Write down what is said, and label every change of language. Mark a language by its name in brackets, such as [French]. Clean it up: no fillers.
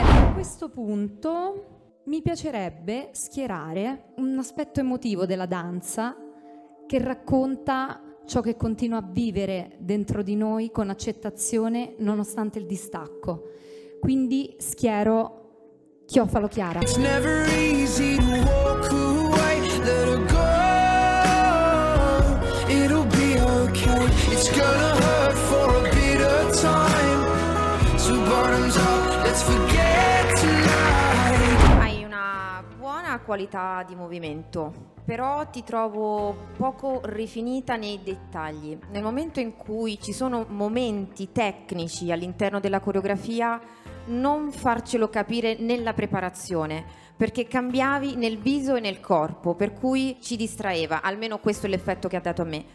[Italian] A questo punto mi piacerebbe schierare un aspetto emotivo della danza che racconta ciò che continua a vivere dentro di noi con accettazione nonostante il distacco. Quindi schiero Chiofalo Chiara. [English] It's never easy to walk away, let her go. It'll be okay. It's gonna hurt for a bit of time. So bottoms up, let's forget tonight. [Italian] Hai una buona qualità di movimento, però ti trovo poco rifinita nei dettagli. Nel momento in cui ci sono momenti tecnici all'interno della coreografia, non farcelo capire nella preparazione, perché cambiavi nel viso e nel corpo, per cui ci distraeva, almeno questo è l'effetto che ha dato a me.